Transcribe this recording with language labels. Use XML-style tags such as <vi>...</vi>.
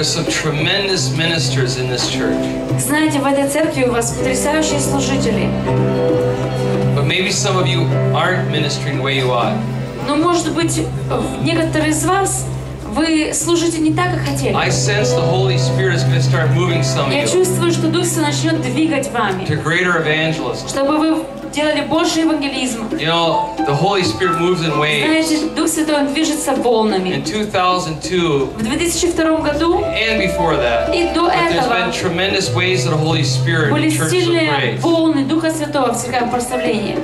<en>Tremendous ministers in this church.</en> <ru>Знаете, в этой церкви у вас потрясающие служители.</ru> <en>But maybe some of you aren't ministering where you are.</en> <ru>Но может быть, некоторые из вас вы служите не так, как хотели.</ru> <en>I sense the Holy Spirit is going to start moving some of you.</en> <ru>Я чувствую, что Дух Святой начнет двигать вами.</ru> <en>To greater evangelism.</en> <ru>Чтобы вы делали больше евангелизма.</ru> <en>You know, the Holy Spirit moves in waves.</en> <ru>Знаете, Дух Святой движется волнами.</ru> <en>In 2002.</en> <ru>В 2002 году.</ru> <en>And before that.</en> <ru>И до этого.</ru> <en>There's been tremendous waves of the Holy Spirit in churches of grace.</en> <ru>Были сильные волны Духа Святого в церковном прославлении.</ru>